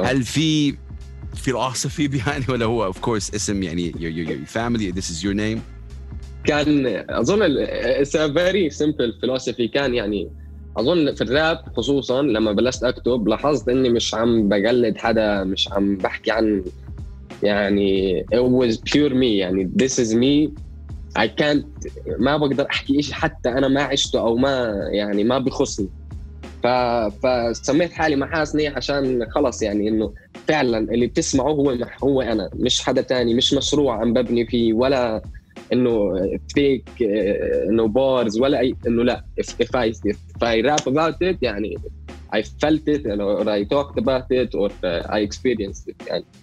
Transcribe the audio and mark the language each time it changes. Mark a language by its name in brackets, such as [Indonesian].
[Arabic] هل في فلسفي بيهاني ولا هو اوف كورس اسم يعني [English] your family this is your name؟ [Arabic] كان اظن [English] it's a very simple philosophy. [Arabic] كان يعني اظن في الراب خصوصا لما بلشت اكتب لاحظت اني مش عم بقلد حدا، مش عم بحكي عن يعني it was pure me يعني [English] this is me. I can't [Arabic] ما بقدر أحكي إشي حتى أنا ما عشته أو ما يعني ما بخصني، فسميت حالي محاسني عشان خلص يعني إنه فعلاً اللي بتسمعه هو أنا، مش حدا تاني، مش مشروع عم ببني فيه ولا إنه فيك إنه بارز ولا أي إنه لا. [English] If I rap about it يعني I felt it or I talked about it or I experienced it يعني.